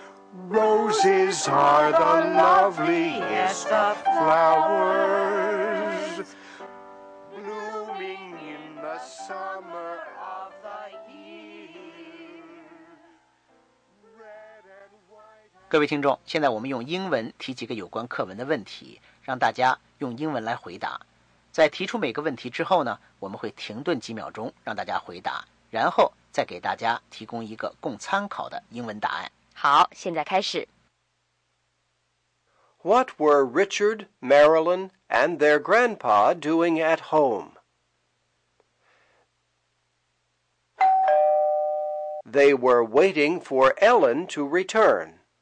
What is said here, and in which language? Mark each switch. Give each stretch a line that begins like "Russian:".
English: Roses are the loveliest of flowers, blooming in the summer of the year. Red and white.
Chinese: 各位听众，现在我们用英文提几个有关课文的问题，让大家用英文来回答。在提出每个问题之后呢，我们会停顿几秒钟让大家回答，然后再给大家提供一个供参考的英文答案。好，现在开始。
English: What were Richard, Marilyn, and their grandpa doing at home? They were waiting for Ellen to return.